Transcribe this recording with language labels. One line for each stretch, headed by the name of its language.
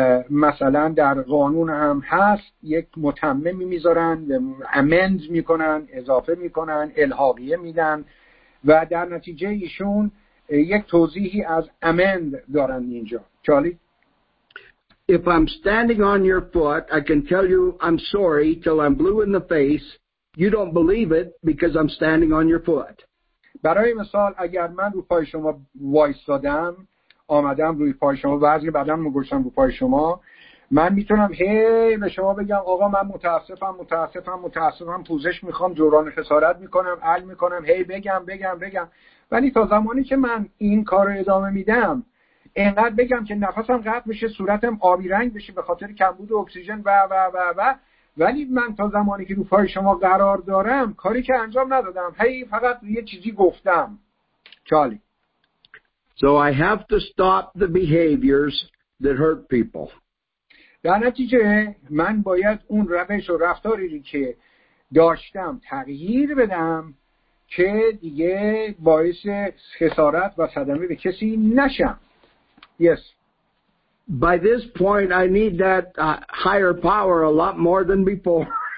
Persian: مثلا در قانون هم هست یک متمم میذارن amend میکنن، اضافه میکنن، الحاقیه میدن و در نتیجه ایشون یک توضیحی از amend دارن اینجا. چالی.
English: If I'm standing on your foot I can tell you I'm sorry till I'm blue in the face. You don't believe it because I'm standing on your foot.
Persian: برای مثال اگر من رو پای شما وایستادم، آمدم روی پای شما، وزنی بدنم رو گذاشتم رو پای شما، من میتونم هی به شما بگم آقا من متاسفم، پوزش میخوام، جبران خسارت میکنم، عل میکنم، هی بگم، ولی تا زمانی که من این کار رو ادامه میدم، اینقدر بگم که نفسم قطع میشه، صورتم آبی رنگ بشه به خاطر کمبود اکسیژن و و و و، ولی من تا زمانی که رو پای شما قرار دارم کاری که انجام ندادم، هی فقط یه چیزی گفتم. چالی.
English: So I have to stop the behaviors that hurt people.
Persian: در نتیجه من باید اون روش و رفتاری که داشتم تغییر بدم که دیگه باعث خسارت و صدمه به کسی نشم.
English: Yes. By this point I need that higher power a lot more than before.